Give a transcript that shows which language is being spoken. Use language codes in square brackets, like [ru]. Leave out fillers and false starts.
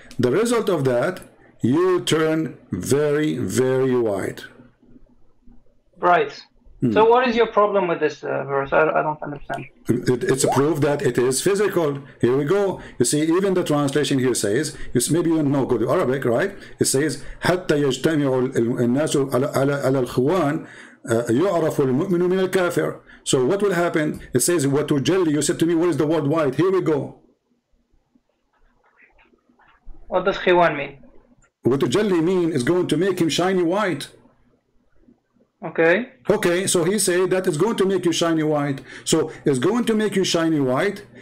[en] The result of that, you turn very, very white. Right. So what is your problem with this verse? I don't understand. It's a proof that it is physical. Here we go. You see, even the translation here says, maybe you don't know good Arabic, right? It says, [ar] حَتَّى يَجْتَمِعُ النَّاسُ عَلَى الْخُوَانِ يُعْرَفُ الْمُؤْمِنُ مِنَ الْكَافِرِ. [en] So what will happen? It says, وَتُجَلِّ. You said to me, what is the word white? Here we go. What does khiwan mean? وَتُجَلِّ mean is going to make him shiny white. Okay, so he said that it's going to make you shiny white. So it's going to make you shiny white.